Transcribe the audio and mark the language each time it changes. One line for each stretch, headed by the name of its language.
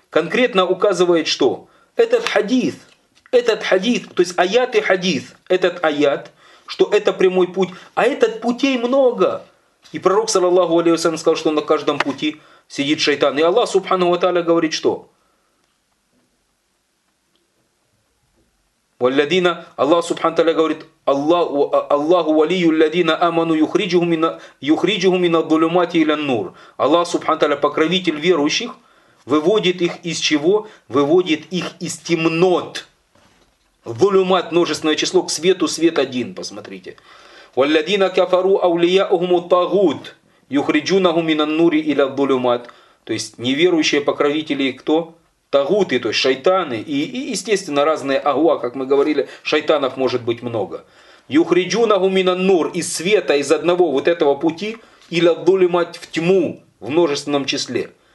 Russian: Конкретно указывает что? Этот хадис, то есть, аят и хадис. Этот аят, что это прямой путь. А этот путей много. И пророк, саллаллаху алейхи вассалям, сказал, что на каждом пути сидит шайтан. И Аллах, субхану ва тааля, говорит что?
Arabic: والذين الله سبحانه وتعالى
Russian: говорит
Arabic: الله الله ولي الذين امنوا يخرجهم من الظلمات الى النور.
Russian: Аллах سبحانه وتعالى покровитель верующих, выводит их из чего? Выводит их из темнот. Зулумат множественное число, к свету свет один, посмотрите.
Arabic: والذين كفروا اولياءهم الطاغوت يخرجونهم من النور الى الظلمات.
Russian: То есть неверующие покровители кто? Тагуты, то есть шайтаны, и естественно, разные агуа, как мы говорили, шайтанов может быть много.
Arabic: Юхриджунаху минан нур,
Russian: из света, из одного вот этого пути, или аддулимать в тьму, в множественном числе.